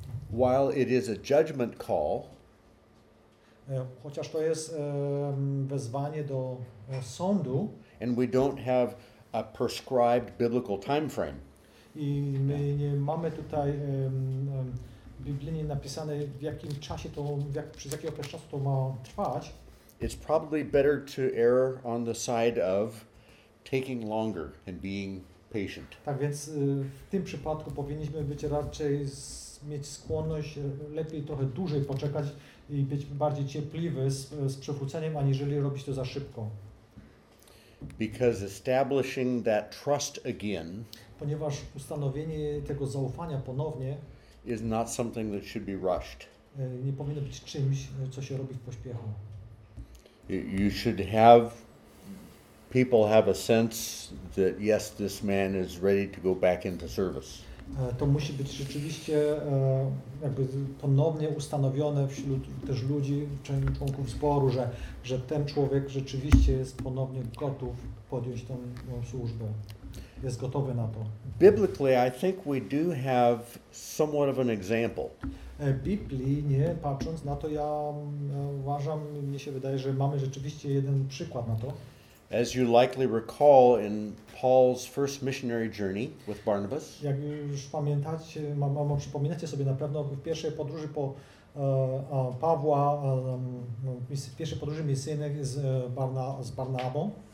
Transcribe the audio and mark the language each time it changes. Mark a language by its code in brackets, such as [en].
[en] while it is a judgment call, [pl] chociaż to jest wezwanie do sądu, [en] and we don't have a prescribed biblical time frame. [pl] I my nie mamy tutaj biblijnie napisane w jakim czasie to, przez jaki okres czasu to ma trwać. [en] It's probably better to err on the side of taking longer and being patient. [pl] Tak więc w tym przypadku powinniśmy być raczej mieć skłonność lepiej trochę dłużej poczekać i być bardziej cierpliwy z przywróceniem, aniżeli robić to za szybko. [en] Because establishing that trust again, [pl] ponieważ ustanowienie tego zaufania ponownie, [en] is not something that should be rushed. [pl] Nie powinno być czymś, co się robi w pośpiechu. [en] You should have people have a sense that yes, this man is ready to go back into service. [pl] To musi być rzeczywiście jakby ponownie ustanowione wśród też ludzi, członków zboru, że ten człowiek rzeczywiście jest ponownie gotów podjąć tą służbę. Jest gotowy na to. [en] Biblically, I think we do have somewhat of an example. [pl] Biblijnie patrząc na to, ja uważam, mnie się wydaje, że mamy rzeczywiście jeden przykład na to. [en] As you likely recall in Paul's first missionary journey with Barnabas. [pl] Jak już pamiętacie, przypominacie sobie na pewno w pierwszej podróży po Pawła, w pierwszej podróży misyjnej z Barnabą.